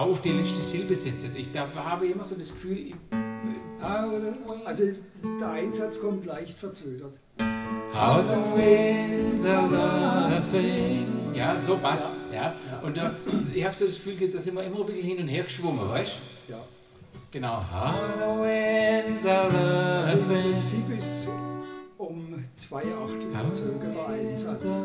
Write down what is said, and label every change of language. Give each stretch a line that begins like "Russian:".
German: Auf die letzte Silbe setzt. Ich habe immer so das Gefühl, also der Einsatz kommt leicht verzögert.
English: How the winds are laughing.
German: Ja, so passt's. Ja. Ja. Ja. Und ich habe so das Gefühl, da sind wir immer ein bisschen hin und her geschwommen, weißt du? Ja. Genau.
English: How the winds are laughing.
German: Also im Prinzip ist um 2/8 verzögert der Einsatz.